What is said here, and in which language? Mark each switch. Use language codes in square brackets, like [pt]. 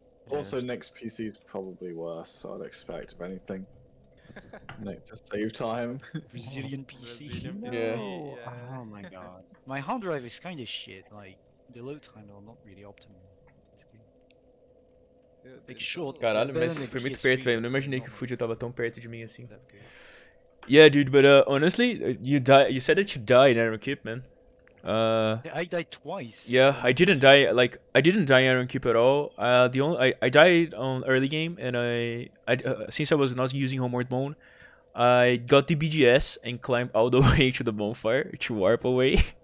[en] Also, yeah. Nick's PC is probably worse, so I'd expect, if anything. Nick, just save time. Resilient PC. No. Yeah. Oh my god. My hard drive is kind of shit. Like, the load times are not really optimal. Like short, [pt] caralho, mas foi muito perto, velho. Eu não imaginei que o Fujo tava tão perto de mim assim. [en] Yeah, dude, but honestly, you said that you died in Iron Keep, man. I died twice. Yeah, I didn't die, like, I didn't die in Iron Keep at all. I died on early game, and since I was not using Homeward Bone, I got the BGS and climbed all the way to the bonfire to warp away.